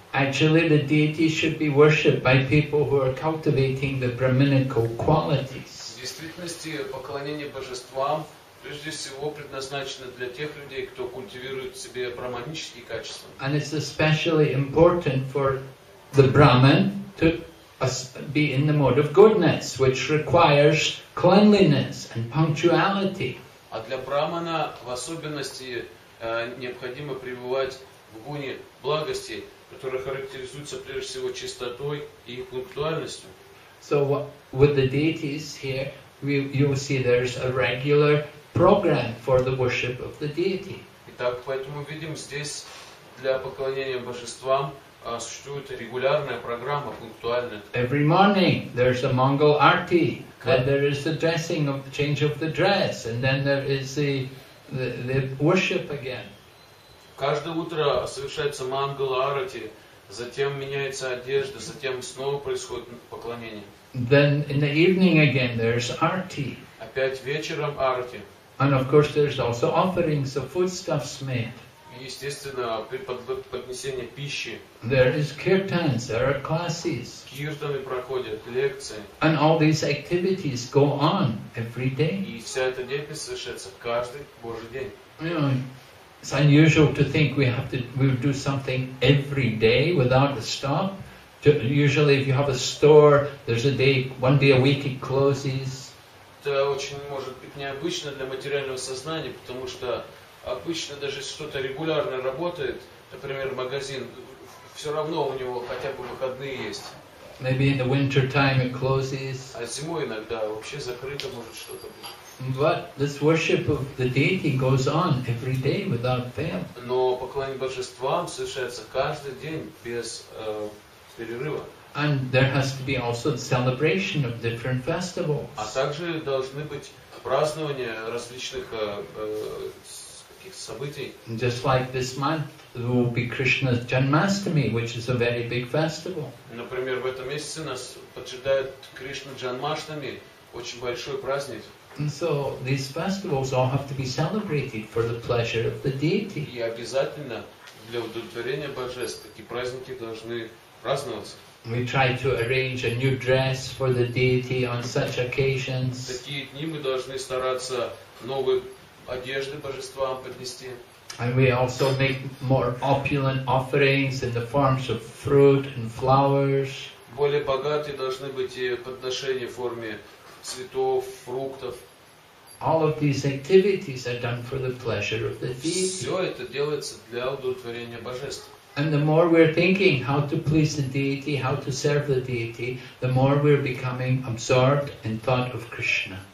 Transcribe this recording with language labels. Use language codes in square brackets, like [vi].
[en] Actually, the deity should be worshipped by people who are cultivating the brahminical qualities. [ru] В действительности, поклонение божествам прежде всего предназначено для тех людей, кто культивирует в себе брахманические качества. [en] And it's especially important for the brahman to be in the mode of goodness, which requires cleanliness and punctuality. [ru] А для брахмана в особенности необходимо пребывать в гуне благости, которая характеризуется прежде всего чистотой и пунктуальностью. [en] So with the deities here, you will see there's a regular program for the worship of the deity. [ru] Итак, поэтому видим здесь для поклонения божествам существует регулярная программа, пунктуальная. [en] Every morning there's a Mangal Arti, then there is the dressing of the change of the dress, and then there is the worship again. [ru] Каждое утро совершается Мангала Арати, затем меняется одежда, затем снова происходит поклонение. [en] Then in the evening again there's Arti. [ru] Опять вечером Арти. [en] And of course there's also offerings of foodstuffs made. [ru] И естественно поднесение пищи. [en] There is kirtans, there are classes. [ru] Киртаны проходят, лекции. [en] And all these activities go on every day. [ru] И вся эта деятельность совершается каждый божий день. [en] It's unusual to think we'll do something every day without a stop. Usually if you have a store, there's a day, one day a week it closes. [ru] Это очень может быть необычно для материального сознания, потому что обычно даже если что-то регулярно работает, например, магазин, все равно у него хотя бы выходные есть. [en] Maybe in the winter time it closes. [ru] А зимой иногда вообще закрыто может что-то быть. [en] But this worship of the deity goes on every day without fail. [ru] Но поклонение божествам совершается каждый день без перерыва. [en] And there has to be also the celebration of different festivals. [ru] А также должны быть празднования различных каких событий. [en] Just like this month will be Krishna's Janmashtami, which is a very big festival. [ru] Например, в этом месяце нас поджидает Кришна Джанмаштами, очень большой праздник. [en] And so these festivals all have to be celebrated for the pleasure of the deity. [ru] И обязательно для удовлетворения божеств такие праздники должны праздноваться. [en] We try to arrange a new dress for the deity on such occasions. [ru] В такие дни мы должны стараться новые одежды божествам поднести. [en] And we also make more opulent offerings in the forms of fruit and flowers. [ru] Более богатые должны быть и подношения в форме цветов, фруктов. [en] All of these activities are done for the pleasure of the deity. [ru] Все это делается для удовлетворения божеств. [en] And the more we're thinking how to please the deity, how to serve the deity, the more we're becoming absorbed in thought of Krishna.